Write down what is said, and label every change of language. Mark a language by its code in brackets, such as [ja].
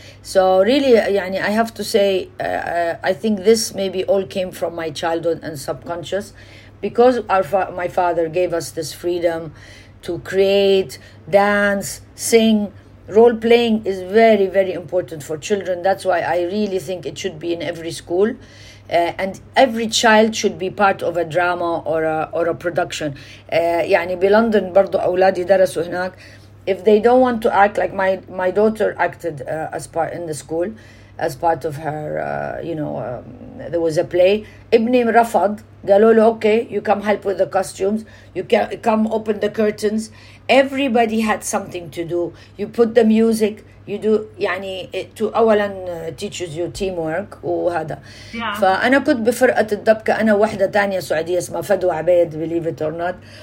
[en] So really, يعني, I have to say, I think this maybe all came from my childhood and subconscious, because my father gave us this freedom to create, dance, sing. Role playing is very, very important for children. That's why I really think it should be in every school. And every child should be part of a drama or a production. [ar] يعني بلندن برضو أولادي درسوا هناك. [en] If they don't want to act, like my daughter acted as part in the school, as part of her, there was a play. [ar] ابني رفض. قالوا له, [en] okay, you come help with the costumes. You can come open the curtains. Everybody had something to do. You put the music. You do, يعني, to أولا teaches you teamwork وهذا. Yeah. [ar] فأنا كنت بفرقة الدبكة, أنا واحدة تانية سعودية اسمها فدوى عبيد, [en] believe it or not.